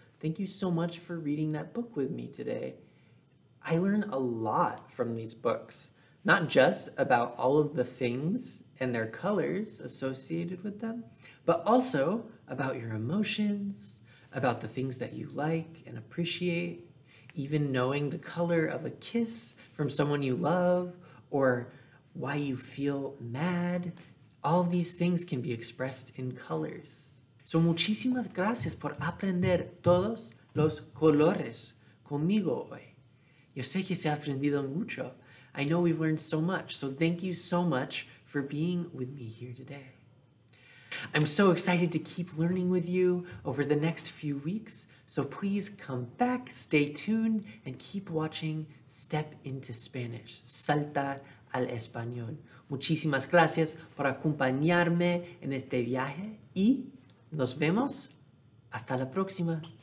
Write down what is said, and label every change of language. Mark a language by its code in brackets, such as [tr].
[en] Thank you so much for reading that book with me today. I learn a lot from these books, not just about all of the things and their colors associated with them, but also about your emotions, about the things that you like and appreciate, even knowing the color of a kiss from someone you love, or why you feel mad. All of these things can be expressed in colors. [es] So, muchísimas gracias por aprender todos los colores conmigo hoy. Yo sé que se ha aprendido mucho. [en] I know we've learned so much, so thank you so much for being with me here today. I'm so excited to keep learning with you over the next few weeks, so please come back, stay tuned, and keep watching Step into Spanish, [es] Saltar al Español. Muchísimas gracias por acompañarme en este viaje y nos vemos hasta la próxima.